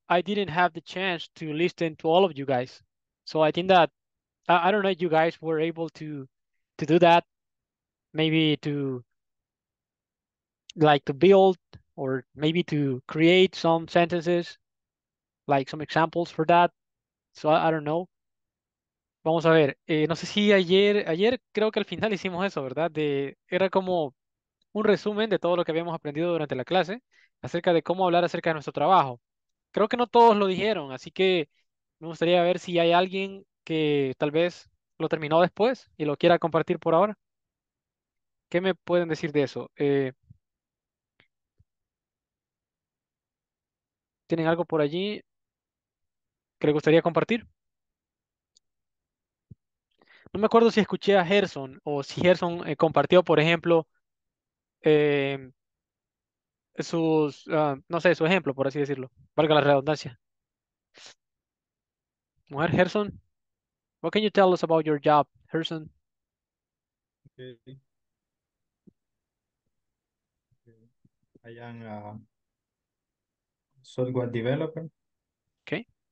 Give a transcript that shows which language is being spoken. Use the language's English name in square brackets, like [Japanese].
[English] I didn't have the chance to listen to all of you guys. So I think that, I don't know if you guys were able to do that, maybe to like to build or maybe to create some sentences, like some examples for that. So I don't know. [Spanish] Vamos a ver, no sé si ayer creo que al final hicimos eso, ¿verdad? Era como un resumen de todo lo que habíamos aprendido durante la clase acerca de cómo hablar acerca de nuestro trabajo. Creo que no todos lo dijeron, así que me gustaría ver si hay alguien que tal vez lo terminó después y lo quiera compartir por ahora. ¿Qué me pueden decir de eso? ¿Tienen algo por allí que les gustaría compartir? No me acuerdo si escuché a Gerson o si Gerson compartió, por ejemplo, no sé, su ejemplo, por así decirlo, valga la redundancia. [English] Mujer, Gerson, what can you tell us about your job, Gerson? Okay. I am a software developer. Okay.